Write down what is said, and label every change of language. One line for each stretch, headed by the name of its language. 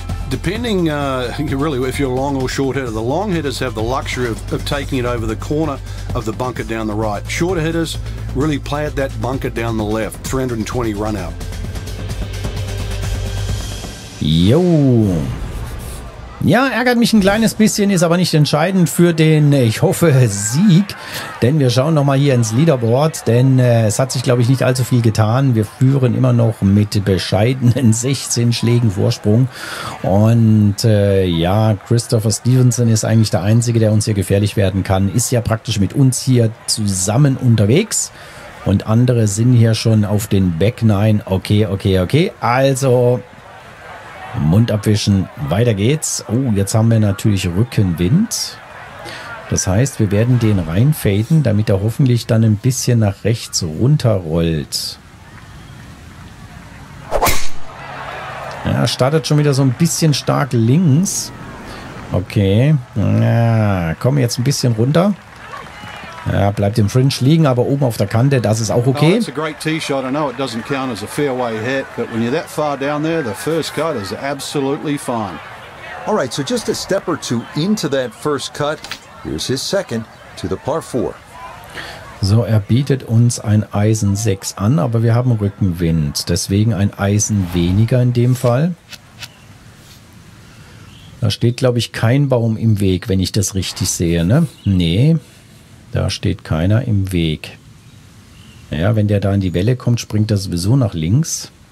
English: Depending really if you're long or short hitter, the long hitters have the luxury of taking it over the corner of the bunker down the right. Shorter hitters really play at that bunker down the left, 320 run out.
German: Jo. Ja, ärgert mich ein kleines bisschen, ist aber nicht entscheidend für den, ich hoffe, Sieg. Denn wir schauen nochmal hier ins Leaderboard, denn es hat sich, glaube ich, nicht allzu viel getan. Wir führen immer noch mit bescheidenen 16 Schlägen Vorsprung. Und ja, Christopher Stevenson ist eigentlich der Einzige, der uns hier gefährlich werden kann. Ist ja praktisch mit uns hier zusammen unterwegs. Und andere sind hier schon auf den Back 9. Okay. Also... Mund abwischen, weiter geht's. Oh, jetzt haben wir natürlich Rückenwind. Das heißt, wir werden den reinfaden, damit er hoffentlich dann ein bisschen nach rechts runterrollt. Ja, startet schon wieder so ein bisschen stark links. Okay, ja, komm jetzt ein bisschen runter. Ja, bleibt im Fringe liegen, aber oben auf der Kante, das ist auch okay.
English: It's a great tee shot. I know it doesn't count as a fairway hit, but when you're that far down there, the first cut is absolutely fine. All right, so just a step or two into that first cut. Here's his second to the par 4.
German: So, er bietet uns ein Eisen 6 an, aber wir haben Rückenwind, deswegen ein Eisen weniger in dem Fall. Da steht, glaube ich, kein Baum im Weg, wenn ich das richtig sehe, ne? Nee. Da steht keiner im Weg. Naja, wenn der da in die Welle kommt, springt er sowieso nach links.